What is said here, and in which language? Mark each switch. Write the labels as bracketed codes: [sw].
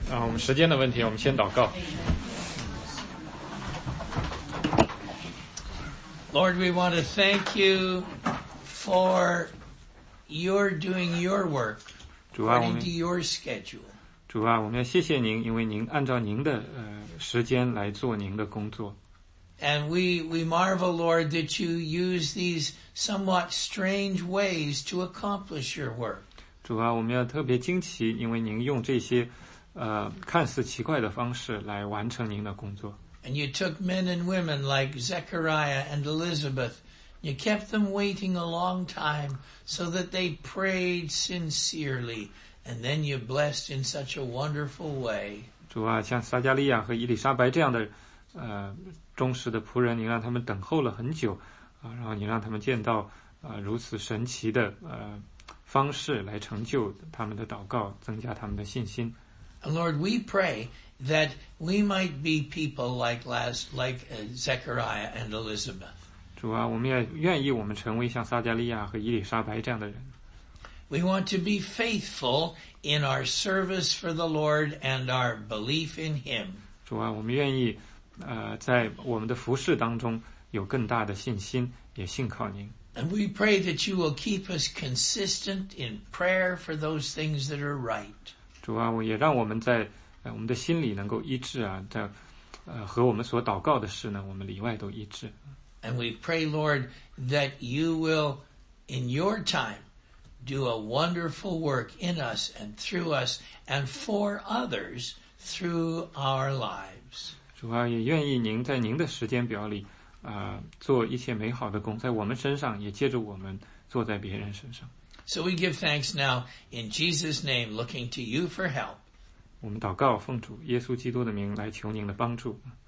[zh] 我们时间的问题，我们先祷告。 [en] Lord, we want to thank you for your doing your work according to your schedule. [zh] 主啊，我们要谢谢您，因为您按照您的时间来做您的工作。 [en] And we marvel, Lord, that you use these somewhat strange ways to accomplish your work. [zh] 主啊，我们要特别惊奇，因为您用这些看似奇怪的方式来完成您的工作。 [en] And you took men and women like Zechariah and Elizabeth. You kept them waiting a long time so that they prayed sincerely. And then you blessed in such a wonderful way. [zh] 主啊，像撒加利亚和伊丽莎白这样的忠实的仆人，您让他们等候了很久啊，然后您让他们见到如此神奇的方式来成就他们的祷告，增加他们的信心。 [en] And Lord, we pray that we might be people like Zechariah and Elizabeth. [zh] 主啊，我们也愿意我们成为像撒加利亚和伊丽莎白这样的人。 [en] We want to be faithful in our service for the Lord and our belief in Him. [zh] 主啊，我们愿意。在我们的服事当中有更大的信心，也信靠您。 [en] And we pray that you will keep us consistent in prayer for those things that are right. [zh] 主啊，我也让我们在我们的心里能够医治啊，在和我们所祷告的事呢，我们里外都医治。 [en] And we pray, Lord, that you will, in your time, do a wonderful work in us and through us and for others through our lives. [zh] 主啊，也愿意您在您的时间表里，做一些美好的工，在我们身上，也借着我们做在别人身上。 [en] So we give thanks now in Jesus' name, looking to you for help. [zh] 我们祷告，奉主耶稣基督的名来求您的帮助。